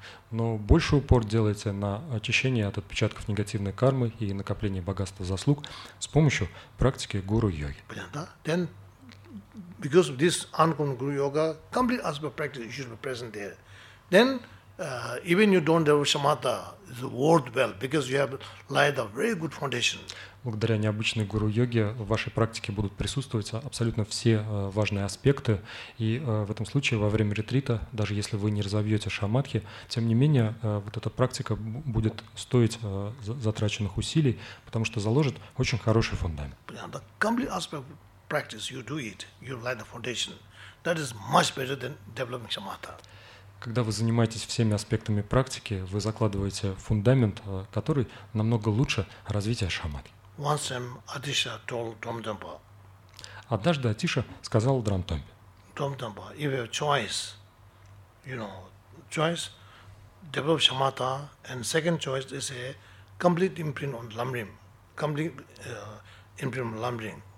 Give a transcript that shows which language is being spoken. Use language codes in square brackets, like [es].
[ru] Но больше упор делайте на очищение от отпечатков негативной кармы и накопление богатства заслуг с помощью практики гуру-йоги. Понятно? [en] Then, because of this uncommon guru-yoga, complete aspect of practice, you should be present there. Then, even you don't develop shamatha, it's worth well, because you have laid a very good foundation. [ru] Благодаря необычной гуру-йоге в вашей практике будут присутствовать абсолютно все важные аспекты. И в этом случае во время ретрита, даже если вы не разовьете шамадхи, тем не менее вот эта практика будет стоить затраченных усилий, потому что заложит очень хороший фундамент. Понятно. [en] Complete aspect of practice, you do it, you lay the foundation. That is much better than developing shamatha. [ru] Когда вы занимаетесь всеми аспектами практики, вы закладываете фундамент, который намного лучше развития шамадхи. [en] Once Atisha told Dhamdhampa. [ru] Однажды Атиша сказал Драмтомпе. [en] Dhamdhampa, if you have choice, you know, choice, develop shamatha, and second choice is a complete imprint on lamrim, complete imprint on lamrim,